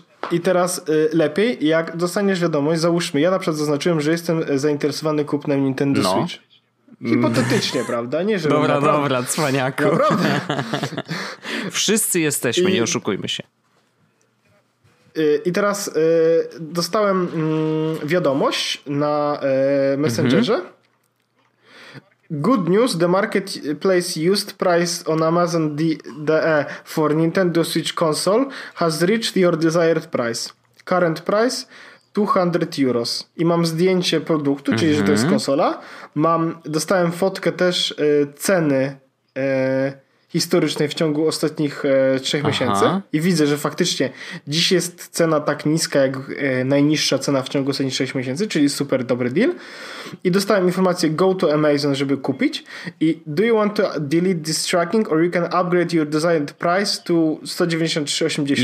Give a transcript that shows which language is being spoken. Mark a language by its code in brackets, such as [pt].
[pl] I teraz lepiej, jak dostaniesz wiadomość, załóżmy, ja na przykład zaznaczyłem, że jestem zainteresowany kupnem Nintendo Switch. Hipotetycznie, prawda? Nie, żeby dobra, naprawdę... dobra, cwaniaku. Naprawdę. Wszyscy jesteśmy, nie oszukujmy się. I teraz dostałem wiadomość na Messengerze. [en] Good news, the marketplace used price on Amazon DE for Nintendo Switch console has reached your desired price. Current price €200. [pl] I mam zdjęcie produktu, czyli że to jest konsola. Dostałem fotkę też ceny historycznej w ciągu ostatnich 3 miesięcy. I widzę, że faktycznie dziś jest cena tak niska, jak najniższa cena w ciągu ostatnich 6 miesięcy, czyli super dobry deal. I dostałem informację [en] go to Amazon, [pl] żeby kupić. [en] I do you want to delete this tracking or you can upgrade your desired price to 193,80?